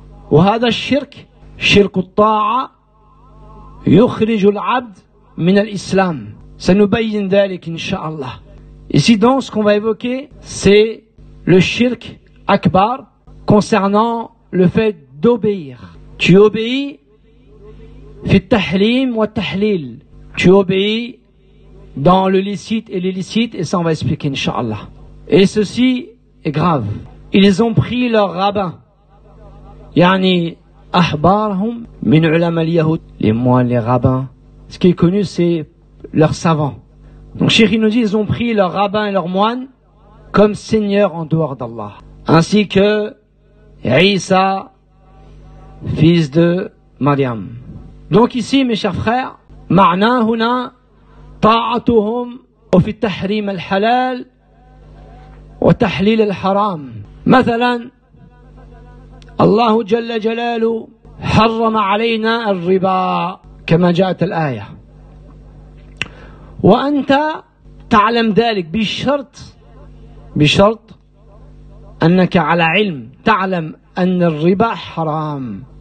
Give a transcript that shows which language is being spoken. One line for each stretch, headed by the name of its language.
Arabic: وهذا الشرك شرك الطاعة يخرج العبد من الاسلام.
French: Ça
Arabic: nous bayin dhalik inshallah.
French: Ici donc ce qu'on va évoquer, c'est le shirk akbar concernant le fait d'obéir. Tu obéis
Arabic: fi tahlim wa tahlil.
French: Tu obéis dans le licite et l'illicite, et ça on va expliquer inshallah. Et ceci est grave. Ils ont pris leur rabbin.
Arabic: Yani ahbarhum min ulama al-yahoud,
French: les moines, les rabbins. Ce qui est connu, c'est leurs savants. Donc Cheikh nous dit, ils ont pris leur rabbin et leur moine comme seigneur en dehors d'Allah. Ainsi que Isa, fils de Maryam. Donc ici, mes chers frères,
Arabic: ma'na huna ta'atuhum وفي التحريم الحلال وتحليل الحرام. مثلا الله جل جلاله حرم علينا الربا كما جاءت الآية، وأنت تعلم ذلك بشرط أنك على علم تعلم أن الربا حرام.